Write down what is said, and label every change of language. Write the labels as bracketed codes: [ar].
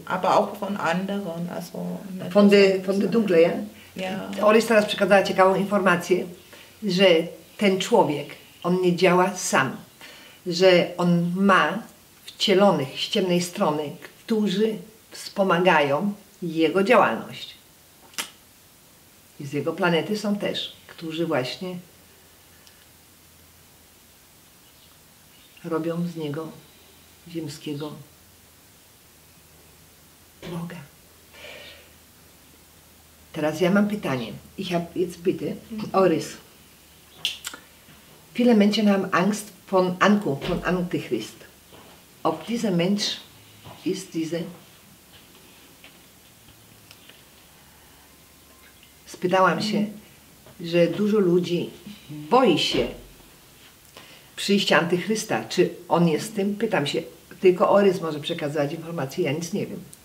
[de] Aber auch von anderen, also... Von der dunkle, ja? [en] Yeah. [pl] Orys teraz przekazała ciekawą informację, że ten człowiek, on nie działa sam. Że on ma wcielonych z ciemnej strony, którzy wspomagają jego działalność. I z jego planety są też, którzy właśnie robią z niego ziemskiego Boga. Teraz ja mam pytanie. [de] Ich habe jetzt bitte, Oris. Viele Menschen haben Angst von Ankunft, von Antichrist. Ob dieser Mensch ist diese? [pl] Spytałam się, że dużo ludzi boi się przyjścia Antychrysta. Czy on jest tym? Pytam się. Tylko Oris może przekazywać informacje, ja nic nie wiem.